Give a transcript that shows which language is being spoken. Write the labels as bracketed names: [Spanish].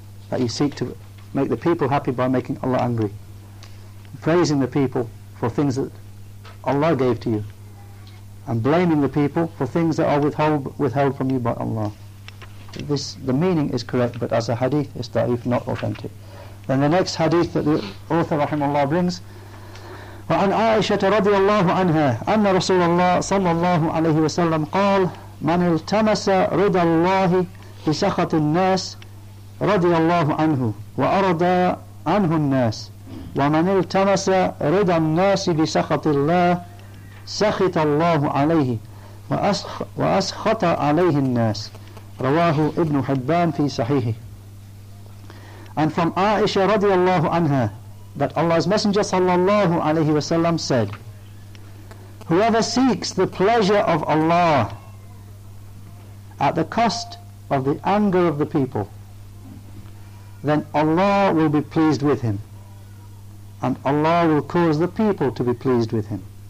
[English] That you seek to make the people happy by making Allah angry. Praising the people for things that Allah gave to you. And blaming the people for things that are withheld from you by Allah. This, the meaning is correct, but as a hadith, it's da'if, not authentic. Then the next hadith that the author, rahimahullah, brings, [Arabic] وعن عائشة رضي الله عنها أن رسول الله صلى الله عليه وسلم قال من التمس رضا الله بسخط الناس رضي الله عنه وأرضى عنه الناس ومن التمس رضا الناس بسخط الله سخط الله عليه وأسخط عليه الناس رواه ابن حبان في صحيحه. [English] And from عائشة [Arabic] رضي الله عنها [English] that Allah's Messenger sallallahu alayhi wa sallam said, whoever seeks the pleasure of Allah at the cost of the anger of the people, then Allah will be pleased with him, and Allah will cause the people to be pleased with him.